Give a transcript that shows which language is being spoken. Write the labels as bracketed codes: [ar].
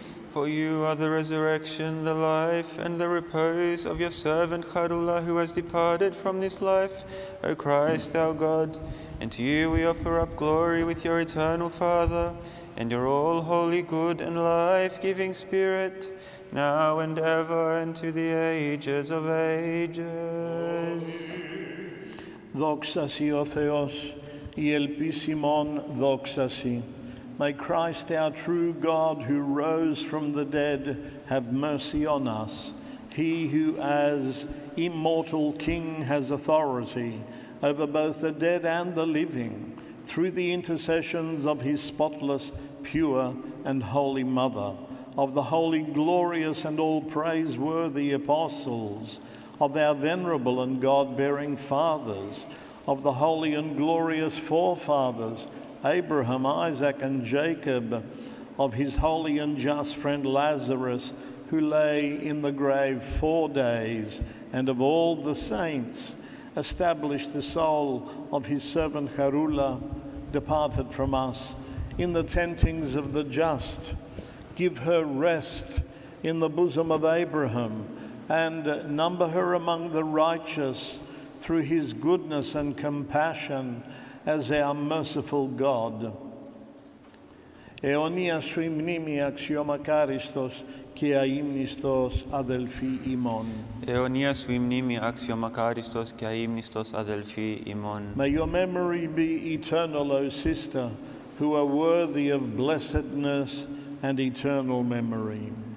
[en] For you are the resurrection, the life, and the repose of your servant Charula, who has departed from this life, O Christ, our God. And to you we offer up glory with your eternal Father, and your all-holy, good, and life-giving Spirit, now and ever, and to the ages of ages. [el] Δόξα σοι, ο Θεός, η ελπίσιμον δόξα σοι. [en] May Christ, our true God, who rose from the dead, have mercy on us. He who as immortal King has authority over both the dead and the living, through the intercessions of his spotless, pure, and holy Mother, of the holy, glorious, and all praiseworthy apostles, of our venerable and God-bearing fathers, of the holy and glorious forefathers, Abraham, Isaac, and Jacob, of his holy and just friend Lazarus, who lay in the grave 4 days, and of all the saints, establish the soul of his servant Charula, departed from us, in the tentings of the just. Give her rest in the bosom of Abraham, and number her among the righteous through his goodness and compassion, as our merciful God. [el] Αιώνια σου η μνήμη αξιωμακάριστος και αείμνηστος αδελφή ημών. Αιώνια σου η μνήμη αξιωμακάριστος και αείμνηστος αδελφή ημών. [en] May your memory be eternal, O sister, who are worthy of blessedness and eternal memory.